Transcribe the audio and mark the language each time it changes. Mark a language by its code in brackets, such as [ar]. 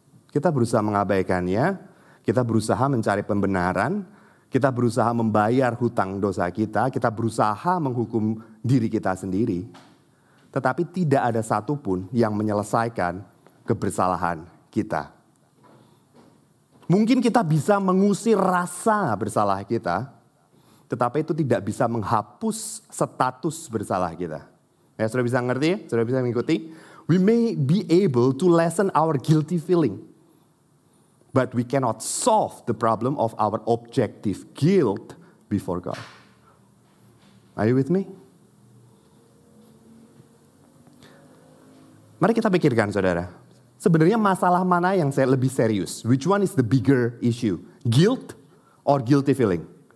[id] Kita berusaha mengabaikannya, kita berusaha mencari pembenaran, kita berusaha membayar hutang dosa kita berusaha menghukum diri kita sendiri. Tetapi tidak ada satupun yang menyelesaikan kebersalahan kita. Mungkin kita bisa mengusir rasa bersalah kita, tetapi itu tidak bisa menghapus status bersalah kita. Ya, sudah bisa ngerti? Sudah bisa mengikuti? [en] We may be able to lessen our guilty feeling, but we cannot solve the problem of our objective guilt before God. Are you with me? [id] Mari kita pikirkan, saudara. Sebenarnya masalah mana yang saya lebih serius? [en] Which one is the bigger issue? Guilt or guilty feeling?